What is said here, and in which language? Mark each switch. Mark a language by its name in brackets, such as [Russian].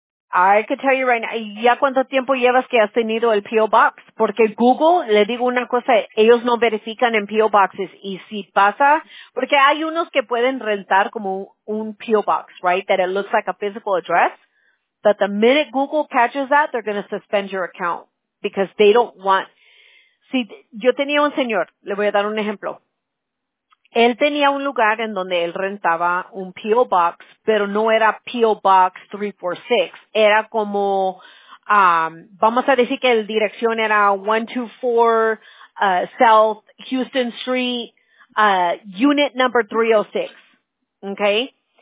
[English] I can tell you right now, [Spanish] ¿ya cuánto tiempo llevas que has tenido el P.O. Box? Porque Google, le digo una cosa, ellos no verifican en P.O. Boxes. Y si pasa, porque hay unos que pueden rentar como un P.O. [English] Box, right? That it looks like a physical address. But the minute Google catches that, they're going to suspend your account. Because they don't want... [Spanish] Si yo tenía un señor, le voy a dar un ejemplo. Él tenía un lugar en donde él rentaba un P.O. Box, pero no era P.O. Box 346. Era como, vamos a decir que la dirección era 124 South Houston Street, Unit Number 306. Okay?